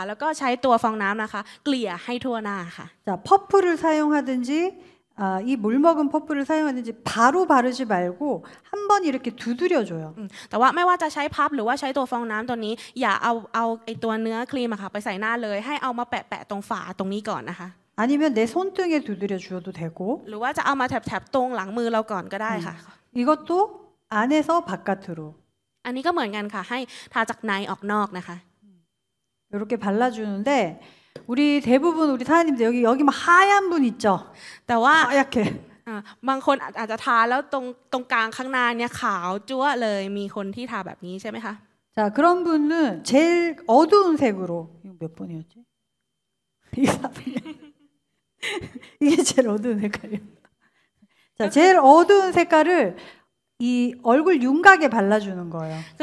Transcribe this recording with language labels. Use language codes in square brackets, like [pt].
[th] ตอนแรกก็ใช้ไอ้ตัวพับที่อยู่ในตัวคุชชั่นนะคะทาแล้วเอาแปะแล้วก็มาทาแล้วก็ใช้ตัวฟองน้ำนะคะเกลี่ยให้ทั่วหน้าค่ะ [ko] 자, 퍼프를 사용하든지 이 물먹은 퍼프를 사용하든지 바로 바르지 말고 한번 이렇게 두드려줘요. [th] แต่ว่าไม่ว่าจะใช้พับหรือว่าใช้ตัวฟองน้ำตัวนี้อย่าเอาไอ้ตัวเนื้อครีมอะค่ะไปใส่หน้าเลยให้เอามาแปะตรงฝาตรงนี้ก่อนนะคะ [ko] 아니면 내 손등에 두드려줘도 되고 [th] หรือว่าจะเอามาแถบตรงหลังมือเราก่อนก็ได้ค่ะ [ko] 이것도 안에서 바깥으로 [th] อันนี้ก็เหมือนกันค่ะให้ทาจากในออกนอกนะคะ [ko] 이렇게 발라주는데 우리 대부분 우리 사장님들 여기 막 하얀 분 있죠? 하얗게. [th] บางคนอาจจะทาแล้วตรงกลางข้างหน้าเนี่ยขาวจั๊วเลยมีคนที่ทาแบบนี้ใช่ไหมคะ [ko] 자, 그런 분은 제일 어두운 색으로 몇 번이었지? 이게 제일 어두운 색깔이에요. 자, 제일 어두운 색깔을 이 얼굴 윤곽에 발라주는 거예요.